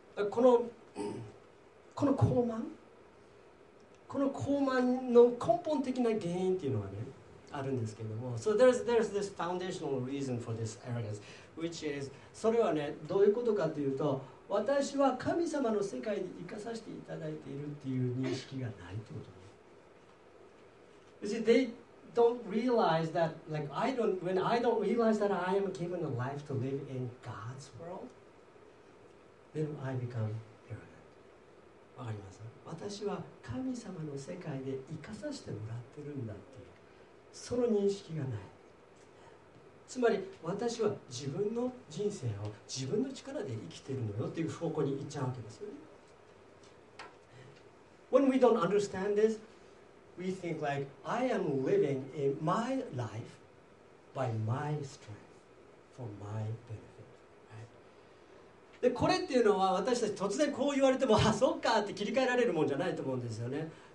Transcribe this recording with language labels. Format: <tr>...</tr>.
<ja>この高慢、この高慢の根本的な原因っていうのはね、あるんですけども、</ja> <en>So there's this foundational reason for this arrogance, which is</en> <ja>それはね、どういうことかというと、私は神様の世界に生かさせていただいているっていう認識がないってこと。</ja> <en>You see, they don't realize that, like, when I don't realize that I am given a life to live in God's world, then I become arrogant.</en> <ja>わかります。私は神様の世界で生かさせてもらってるんだっていう、その認識がない。つまり私は自分の人生を自分の力で生きてるのよっていう方向に行っちゃうわけですよね。</ja> <en>When we don't understand this, we think like, I am living in my life by my strength, for my benefit.、Right?</en> <ja>で、これっていうのは私たち突然こう言われても、あ、そっかって切り替えられるもんじゃないと思うんですよね。</ja>